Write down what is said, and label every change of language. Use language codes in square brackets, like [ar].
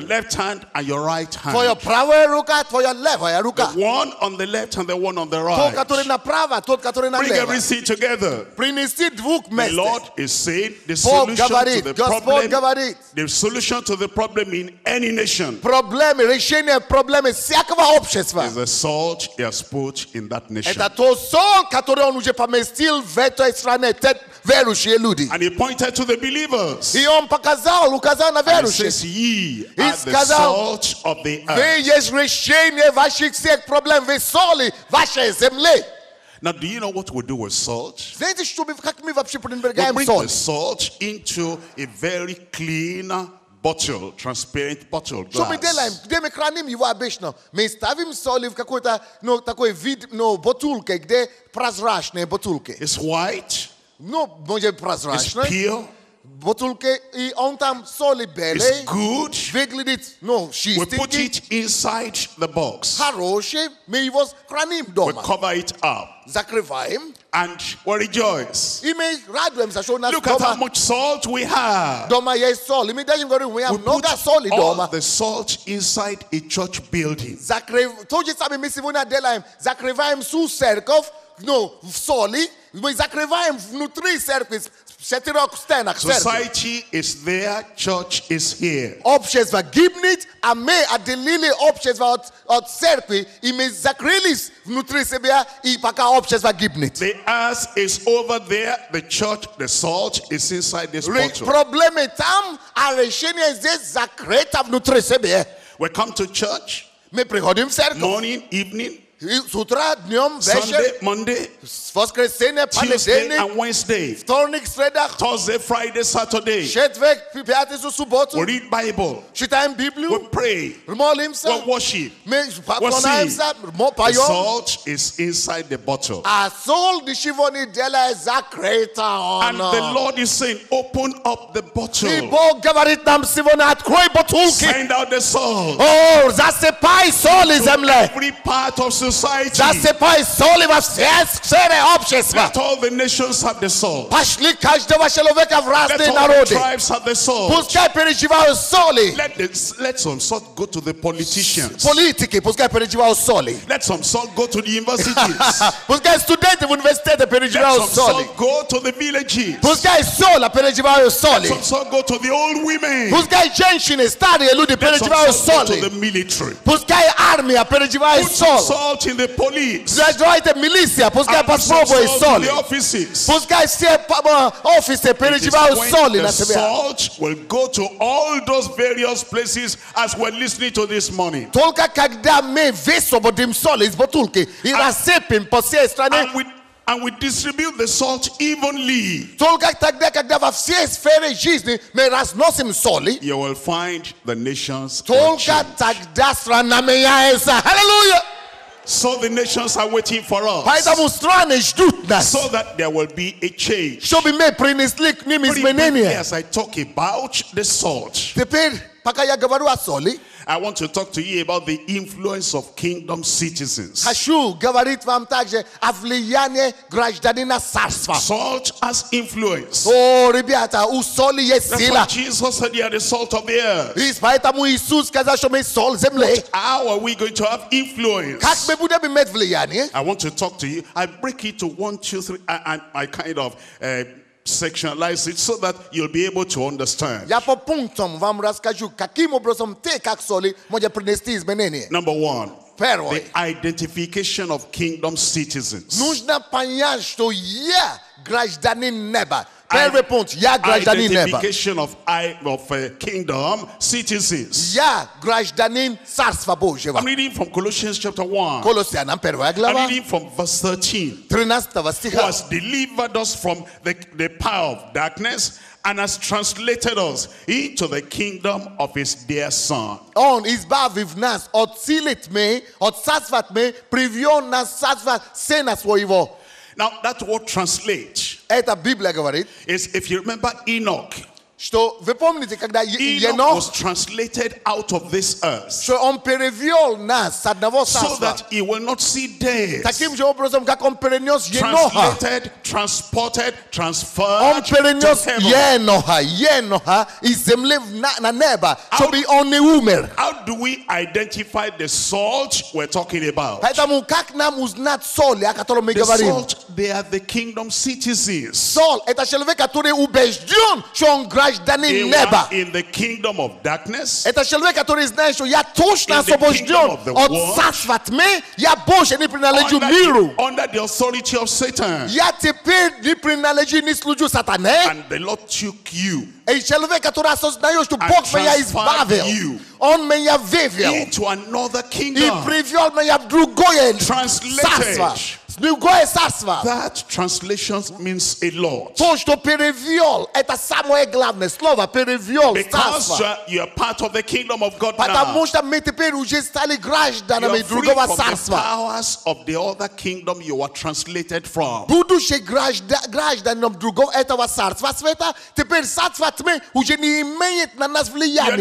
[en] left hand and your right hand. For your [ru] правая рука, [en] for your [ru] левая рука. [en] The one on the left and the one on the right. Bring everything together. Bring the Lord is saying the solution to the problem. The solution to the problem in any nation. Problem, [ru] решение проблемы всякого общества. [en] Is the salt he has put in that nation. [ru] Это то соль, которое он уже поместил в этой стране. Верующие люди. [en] And he pointed to the believers. [ru] И он показал, указал на верующих. [en] And he says, ye are [ru] сказал, [en] the salt of the earth. [ru] Вы есть решение ваших всех проблем. Вы соли вашей земли. [en] Now, do you know what we do with salt? [ru] Знаете, что мы, как мы вообще предлагаем соль? [en] We bring the salt into a very clean bottle, transparent bottle glass. [ru] Что мы делаем? Где мы храним его обычно? Мы ставим соли в какой-то, ну, такой вид, ну, бутылке, где прозрачные бутылки. [en] It's white. [ru] Ну, может, прозрачно. [en] It's pure. [ru] Бутылки, и он там соли белый. [en] It's good. [ru] Выглядит, ну, чистенький. [en] We put it inside the box. [ru] Хороший. Мы его храним дома. [en] We cover it up. [ru] Закрываем. [en] And we rejoice. [ru] И мы радуемся, что у нас [en] look [ru] дома. [en] Look at how much salt we have. [ru] Дома есть соль. И мы даже говорим, [en] we have [ru] много соли дома. [en] We put all the salt inside a church building. [ru] То же самое мы сегодня делаем. Закрываем всю церковь. Ну, в соли, мы закрываем внутри церкви, в четырех стенах церкви. [en] Society is there, church is here. [ru] Общество гибнет, а мы отделили общество от церкви, и мы закрылись внутри себя, и пока общество гибнет. [en] The earth is over there, the church, the salt is inside this bottle. [ru] Проблемы там, а решение здесь закрыто внутри себя. [en] We come to church. [ru] Мы приходим в церковь. [en] Morning, evening. [ru] Сутра, днем, вечер, [en] Sunday, Monday, [ru] воскресенье, понедельник, [en] and Wednesday, [ru] вторник, среда, [en] Thursday, Friday, Saturday, [ru] четверг, пятницу, субботу, [en] we read Bible, [ru] читаем Библию, [en] we pray, [ru] молимся, [en] we worship, [ru] поклоняемся, поем. [en] The salt is inside the bottle. [ru] А соль дешевле делает закрыто. [en] And the Lord is saying, open up the bottle. [ru] И Бог говорит нам сегодня, открой бутылки. [en] Send out the salt. [ru] О, засыпай соль из земли. [en] Every part of society. society. [ru] Засыпай соли во все сферы общества. [en] Let all the nations have the salt. [ru] Пошли каждого человека в разные народы. [en] Let all the tribes have the salt. [ru] Пускай переживают соли. [en] Let some salt go to the politicians. [ru] Политики, пускай переживают соли. [en] Let some salt go to the universities. [ru] Пускай студенты в университеты переживают соли. [en] Let some salt go to the villages. [ru] Пускай соли переживают соли. [en] Let some salt go to the old women. [ru] Пускай женщины, старые люди переживают соли. [en] Let some salt go to the military. [ru] Пускай армия переживает соль. [en] Salt in the police. [ru] Задвайте милиция, пускай попробуй соль. Пускай все офисы переживают соль на себе. [en] Salt will go to all those various places as we're listening to this morning. [ru] Только когда мы высвободим соль из бутылки и рассыпем по всей стране. [en] And we distribute the salt evenly. [ru] Только тогда, когда во всей сфере жизни мы разносим соли. [en] You will find the nations. [ru] Только тогда страна меняется. [en] Hallelujah. So the nations are waiting for us. [ru] Поэтому страны ждут нас. [en] So that there will be a change. [ru] Чтобы мы принесли к ним изменения. [en] As I talk about the salt. [ru] Теперь, пока я говорю о соли. [en] I want to talk to you about the influence of kingdom citizens. [ru] Хочу говорить вам также о влиянии гражданина царства. [en] Salt has influence. [ru] О, ребята, у соли есть сила. [en] That's why Jesus said you are the salt of the earth. [ru] Поэтому Иисус сказал, что мы соль земли. [en] But how are we going to have influence? [ru] Как мы будем иметь влияние? [en] I want to talk to you. I break it to 1, 2, 3. I kind of sectionalize it so that you'll be able to understand. [ru] Я по пунктам вам расскажу, каким образом ты, как соли, можешь принести изменения. [en] Number one. [ru] Первое. [en] The identification of kingdom citizens. [ru] Нужно понять, что я гражданин неба. Первый пункт. Я гражданин неба. [en] Identification of kingdom citizens. [ru] Я гражданин царства Божьего. [en] I'm reading from Colossians chapter 1. [ru] Колоссянам первая глава. [en] I'm reading from verse 13. [ru] 13 стиха. [en] Who has delivered us from the power of darkness and has translated us into the kingdom of his dear son. [ru] Он избавив нас от силы тьмы, от царства тьмы, привел нас в царство сына своего. [en] Now that word translate. [ru] Это Библия говорит. [en] Is if you remember Enoch. [ru] Что вы помните, когда [en] Enoch was translated out of this earth. [ru] Что он перевел нас с одного царства. [en] So that he will not see death. [ru] Таким же образом, как он перенес [en] Еноха. Translated, transported, transferred. [ru] Он перенес Еноха из земли на небо, чтобы он не умер. [en] How do we identify the salt we're talking about? [ru] Поэтому как нам узнать соль, о котором мы говорим? [en] The salt, they are the kingdom citizens. [ru] Соль, это человек, который убежден, что он гражданин неба. [en] In the kingdom of darkness. [ru] Это человек, который знает, что я точно освобожден от царства тьмы. Я больше не принадлежу миру. [en] Under the authority of Satan. [ru] Я теперь не принадлежу, не служу сатане. [en] And the Lord took you. [ru] И человек, который осознает, что Бог меня избавил. Он меня вывел. [en] Into another kingdom. [ru] И привел меня в другое царство. [en] That translation means a lot. [ru] То, что перевел, это самое главное слово, перевел, царство. [en] Because you are part of the kingdom of God now. [ru] Потому что мы теперь уже стали гражданами другого царства. [en] You are free from the powers of the other kingdom you were translated from. [ru] Будучи гражданином другого этого царства света, теперь царство тьмы уже не имеет на нас влияния.